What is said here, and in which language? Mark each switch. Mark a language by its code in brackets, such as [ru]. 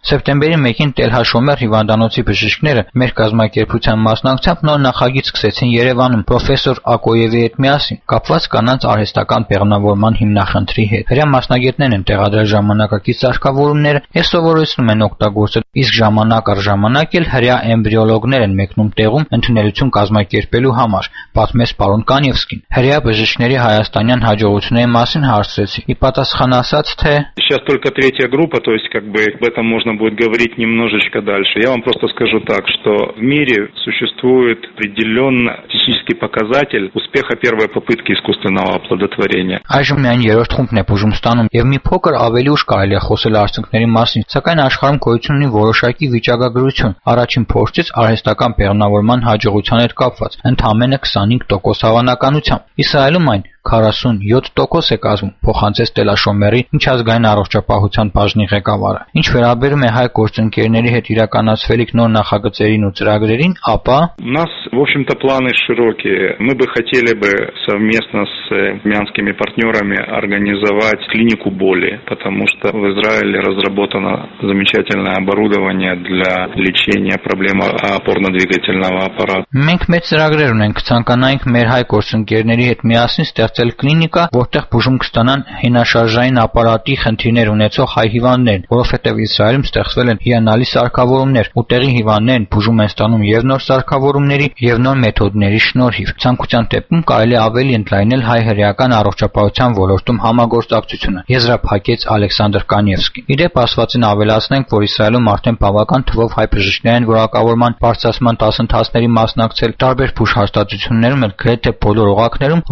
[hy] Սեպտեմբերի 1-ին Տելա Շամեր հիվանդանոցի բժիշկները մեր կազմակերպության մասնակցությամբ նոր նախագիծ սկսեցին Երևանում պրոֆեսոր Ակոևի հետ միասին, կապված կանանց արհեստական պեղնավորման հիմնախնդրի հետ։ Հրեա մասնագետներն են տեղադրել ժամանակակից սարքավորումները, և սովորեցնում են օգտագործել, իսկ ժամանակ առ ժամանակ էլ հրեա էմբրիոլոգներ են մեկնում տեղում ընդունելություն կազմակերպելու համար, պատմեց պարոն Կանևսկին։ Հրեա բժիշկների հայաստանյան հաջողությունների մասին հարցրեցի, ի պատասխան ասաց, թե [ru] Сейчас только третья группа, то есть как бы об этом можно будет говорить немножечко дальше. Я вам просто скажу так, что в мире существует определённо статистический показатель успеха первой попытки искусственного оплодотворения. [hy] Այժմ միայն երրորդ խումբն է բուժում ստանում, և մի փոքր ավելի ուշ կարելի է խոսել արդյունքների մասին, սակայն աշխարհում գոյություն ունի որոշակի վիճակագրություն, առաջին փորձից արհեստական պեղնավորման հաջողության հետ կապված, ընդամենը 25% հավանականությամբ։ Իսրայելում այն 47% է կազմում, փոխանցեց Տելաշոմերի միջազգային առողջապահության բաժնի ղեկավարը։ Ինչ վերաբերում է հայ գործընկերների հետ իրականացվելիք նոր նախագծերին ու ծրագրերին, ապա [ru] нас, в общем-то, планы широкие. Мы бы хотели бы совместно с мьянскими партнерами организовать клинику боли, потому что в Израиле разработано замечательное оборудование для лечения проблем опорно-двигательного аппарата. [hy] Մենք մեծ ծրագրեր ունենք, ցանկանայինք մեր հայ գործընկերների հետ միասին ստեղծել կլինիկա, որտեղ բուժում կստանան հինաշարժային ապարատի խնդիրներ ունեցող հայ հիվանդներ, որովհետև Իսրայելում ստեղծվել են հիանալի սարքավորումներ, ու տեղի հիվանդներն բուժում են ստանում եւ նոր սարքավորումների եւ նոր մեթոդների շնորհիվ։ Ցանկության դեպքում կարելի ավելի ընդլայնել հայ հրեական առողջապահության ոլորտում համագործակցությունը, եզրափակեց Ալեքսանդր Կանևսկի։ Ի դեպ ասվածին ավելացնենք, որ Իսրայելում արդեն բավական թվով հայ բժիշկներն որակավորման բարձրացման դասընթացների մասնակցել տարբեր բուժհաստատություններում էլ գրեթե բոլոր օղակներում